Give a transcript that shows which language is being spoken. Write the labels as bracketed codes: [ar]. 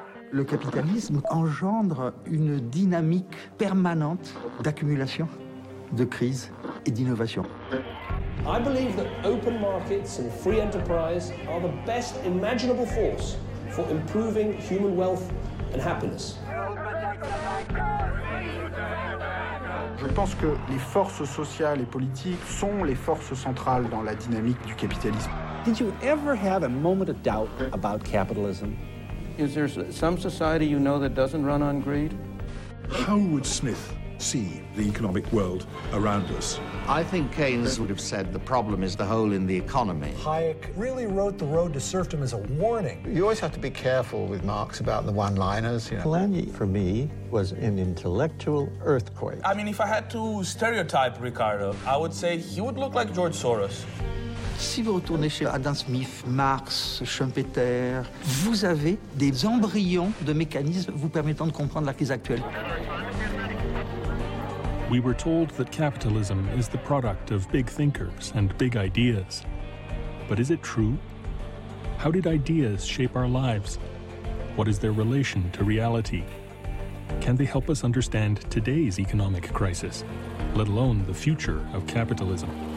[fr] Le capitalisme engendre une dynamique permanente d'accumulation, de crise et d'innovation. [en] I believe that open markets and free enterprise are the best imaginable force for improving human wealth and happiness. [fr] Je pense que les forces sociales et politiques sont les forces centrales dans la dynamique du capitalisme. [en] Did you ever have a moment of doubt about capitalism? Is there some society you know that doesn't run on greed? How would Smith see the economic world around us? I think Keynes would have said the problem is the hole in the economy. Hayek really wrote The Road to Serfdom as a warning. You always have to be careful with Marx about the one-liners, you know. Polanyi, for me, was an intellectual earthquake. I mean, if I had to stereotype Ricardo, I would say he would look like George Soros. [fr] Si vous retournez chez Adam Smith, Marx, Schumpeter, vous avez des embryons de mécanismes vous permettant de comprendre la crise actuelle. [en] We were told that capitalism is the product of big thinkers and big ideas. But is it true? How did ideas shape our lives? What is their relation to reality? Can they help us understand today's economic crisis, let alone the future of capitalism?